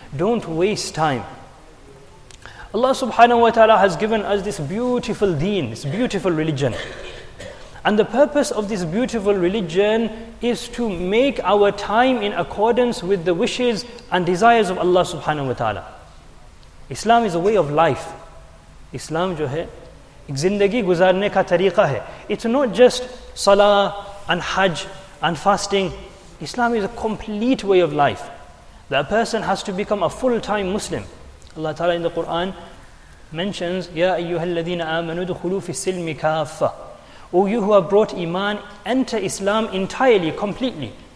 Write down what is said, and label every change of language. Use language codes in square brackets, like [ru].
[en] Don't waste time. Allah subhanahu wa ta'ala has given us this beautiful deen, this beautiful religion. And the purpose of this beautiful religion is to make our time in accordance with the wishes and desires of Allah subhanahu wa ta'ala. Islam is a way of life. [ur] Islam jo hai, ایک زندگی گزارنے کا طریقہ ہے. [en] It's not just salah and hajj and fasting. Islam is a complete way of life. That a person has to become a full-time Muslim. Allah Ta'ala in the Quran mentions, [ar] يَا أَيُّهَا الَّذِينَ آمَنُوا دُخُلُوا فِي السِّلْمِ كَافَّةً. [en] O you who have brought iman, enter Islam entirely, completely.